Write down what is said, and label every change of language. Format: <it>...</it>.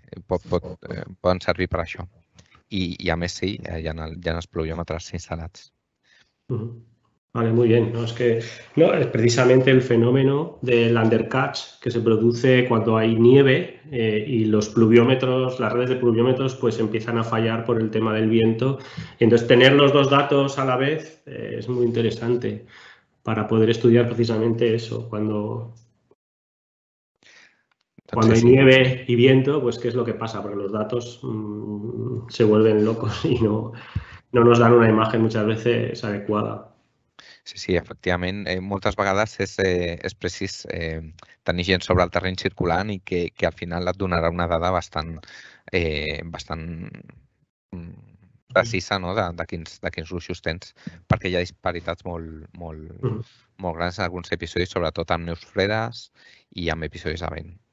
<ca>Poden servir per això. I a més, sí, hi ha els pluviòmetres instal·lats.</ca> <es>Uh-huh. Vale, muy bien. No, es que no, es precisamente el fenómeno del undercatch que se produce cuando hay nieve y los pluviómetros, las redes de pluviómetros, pues empiezan a fallar por el tema del viento. Entonces, tener los dos datos a la vez es muy interesante para poder estudiar precisamente eso cuando... Cuando hay nieve y viento, pues ¿qué es lo que pasa? Porque los datos se vuelven locos y no nos dan una imagen muchas veces adecuada.</es> <ca>Sí, sí, efectivament. Moltes vegades és precís tenir gent sobre el terreny circulant i que al final et donarà una dada bastant, bastant precisa, no? de quins gruixos tens, perquè hi ha disparitats molt grans en alguns episodis, sobretot amb neus fredes i amb episodis de vent.</ca>